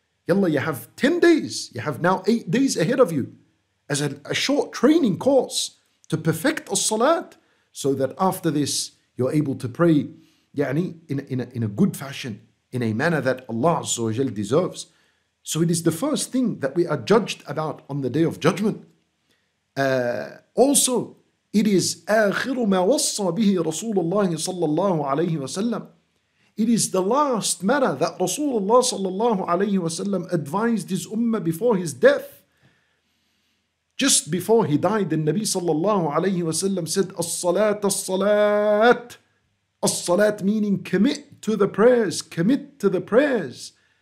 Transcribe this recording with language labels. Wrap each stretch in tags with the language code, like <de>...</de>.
<en>Yalla, you have 10 days. You have now 8 days ahead of you as a short training course to perfect a salat, so that after this, you're able to pray in a good fashion, in a manner that Allah Azza wa Jal deserves. So it is the first thing that we are judged about on the Day of Judgment. Also, it is</en> <ar>آخر ما وصى به رسول الله صلى الله عليه وسلم.</ar> <en>It is the last matter that Rasulullah sallallahu alayhi wa sallam advised his ummah before his death. Just before he died, the Nabi sallallahu alayhi wa sallam said, As-salat, as-salat. As-salat meaning commit to the prayers, commit to the prayers.</en>